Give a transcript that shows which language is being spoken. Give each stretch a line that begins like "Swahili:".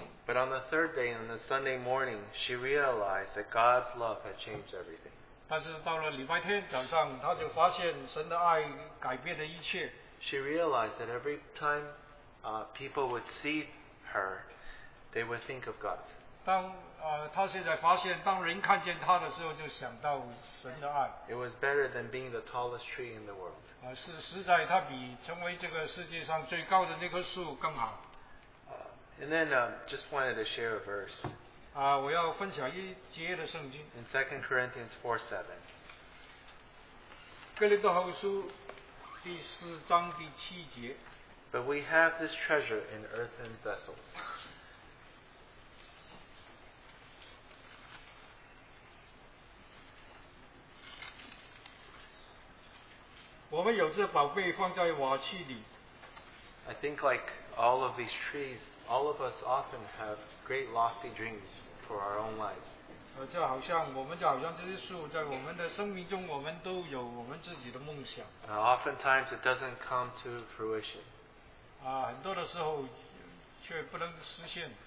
English: But on the third day, on the Sunday morning, she realized that God's love had changed everything.
Chinese: 但是到了礼拜天早上，她就发现神的爱改变了一切。
English: She realized that every time people would see her, they would think of God.
Chinese: 她现在发现，当人看见她的时候，就想到神的爱。
English: It was better than being the tallest tree in the world.
Chinese: 是实在，她比成为这个世界上最高的那棵树更好。
English: And then just wanted to share a verse.
Chinese: 我要分享一节的圣经。
English: In 2 Corinthians 4:7.
Chinese: 哥林多后书第4章第7节。
English: But we have this treasure in earthen vessels.
Chinese: 我们有这宝贝放在瓦器里。
English: I think like all of these trees, all of us often have great lofty dreams for our own lives.
Chinese: 就好像这些树在我们的生命中，我们都有我们自己的梦想。
English: Oftentimes it doesn't come to fruition.
Chinese: 很多的时候却不能实现。